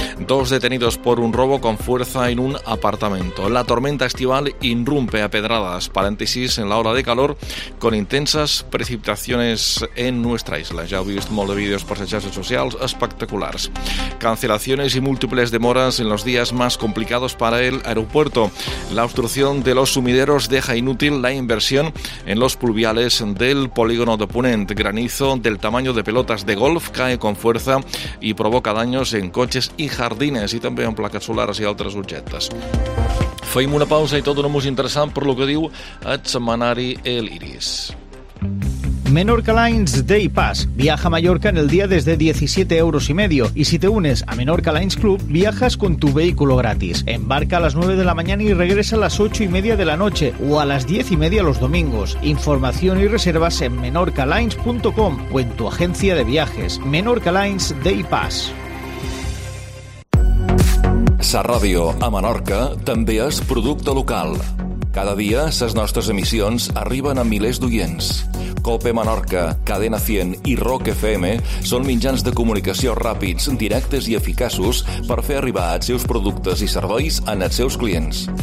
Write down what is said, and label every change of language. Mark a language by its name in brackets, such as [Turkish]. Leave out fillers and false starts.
[Spanish] Dos detenidos por un robo con fuerza en un apartamento. La tormenta estival irrumpe a pedradas. Paréntesis en la ola de calor con intensas precipitaciones en nuestra isla. [Catalan] Ja heu vist molt de vídeos per les xarxes socials espectaculars. [Spanish] Cancelaciones y múltiples demoras en los días más complicados para el aeropuerto. La obstrucción de los sumideros deja inútil la inversión en los pluviales del polígono de Ponent. Granizo del tamaño de pelotas de golf cae con fuerza y provoca daños en coches y jardines y también en placas solares y otras objetos. [Catalan] Fem una pausa [Spanish] y todo no muy interesante por lo que [Catalan] diu el semanari [Spanish] El Iris. Menorca Lines Day Pass. Viaja a Mallorca en el día desde 17,5 euros. Y si te unes a Menorca Lines Club, viajas con tu vehículo gratis. Embarca a las 9 de la mañana y regresa a las 8:30 de la noche o a las 10:30 los domingos. Información y reservas en menorcalines.com o en tu agencia de viajes. Menorca Lines Day Pass. [Catalan] Sa Ràdio a Menorca també és producte local. Cada dia, les nostres emissions arriben a milers d'oients. COPE Menorca, Cadena 100 i Rock FM són mitjans de comunicació ràpids, directes i eficaços per fer arribar els seus productes i serveis als seus clients.